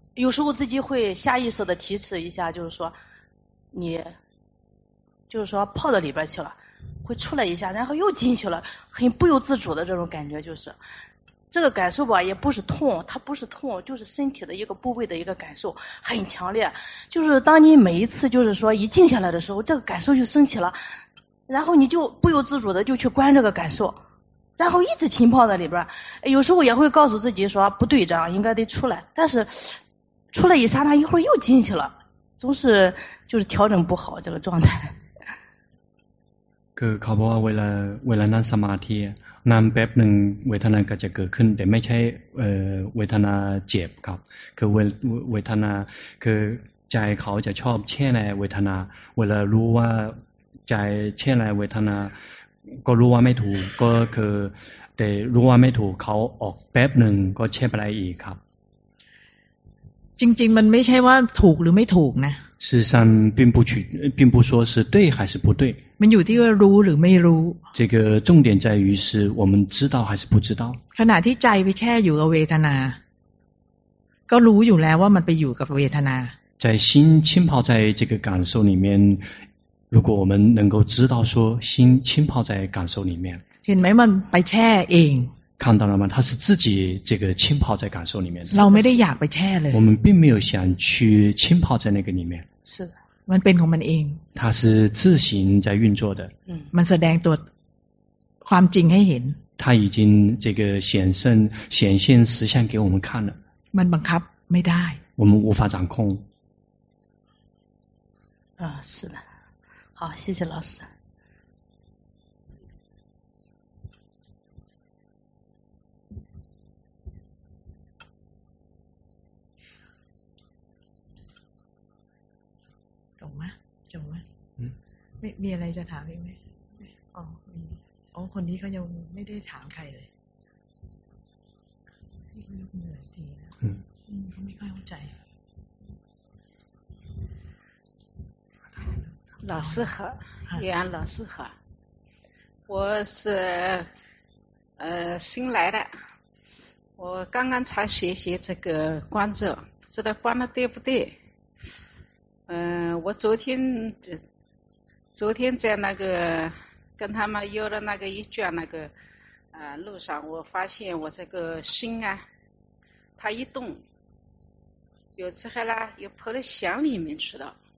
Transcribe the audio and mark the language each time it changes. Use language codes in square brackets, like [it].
[zh] 有时候自己会下意识的提示一下就是说你就是说泡到里边去了会出来一下然后又进去了很不由自主的这种感觉就是这个感受吧也不是痛它不是痛就是身体的一个部位的一个感受很强烈就是当你每一次就是说一静下来的时候这个感受就升起了然后你就不由自主的就去观这个感受然后一直浸泡在里边有时候也会告诉自己说不对账应该得出来但是出来一刹那一会儿又进去了总是就是调整不好这个状态可考不好为了那萨马提 [th] นั่นแป๊บหนึ่งเวทนาก็จะเกิดขึ้นแต่ไม่ใช่เวทนาเจ็บครับคือเวทนาคือใจเขาจะชอบแช่ในเวทนาเวลารู้ว่าใจแช่ในเวทนาก็รู้ว่าไม่ถูกก็คือแต่รู้ว่าไม่ถูกเขาออกแป๊บหนึ่งก็แช่ไปอะไรอีกครับ จริงๆมันไม่ใช่ว่าถูกหรือไม่ถูกนะ [zh] 事实上并不说是对还是不对 [th] มันอยู่ที่ว่ารู้หรือไม่รู้ [zh] 这个重点在于是我们知道还是不知道 [th] ขณะที่ใจไปแช่อยู่กับเวทนาก็รู้อยู่แล้วว่ามันไปอยู่กับเวทนา [zh] 在心浸泡在这个感受里面如果我们能够知道说心浸泡在感受里面 [th] เห็นไหมมันไปแช่เอง [zh] 看到了吗它是自己这个浸泡在感受里面 [th] เราไม่ได้อยากไปแช่เลย [zh] 我们并没有想去浸泡在那个里面是的， [th] มันเป็นของมันเอง [zh] 它是自行在运作的 [th] มันแสดงตัวความจริงให้เห็น [zh] 它已经这个显现实相给我们看了 [th] มันบังคับไม่ได้ [zh] 我们无法掌控啊是的好谢谢老师 [th] จะไหม อืมมีอะไรจะถามไหมอ๋อคนนี้ก็ยังไม่ได้ถามใครเลยที่เขายกมือหลายทีนะเขาไม่ค่อยเข้าใจ [zh] 老师好李安老师好我是新来的我刚刚才学习这个观者不知道观的对不对我昨天在那个跟他们约了那个一卷那个路上我发现我这个心啊它一动有之后呢又跑到想里面去了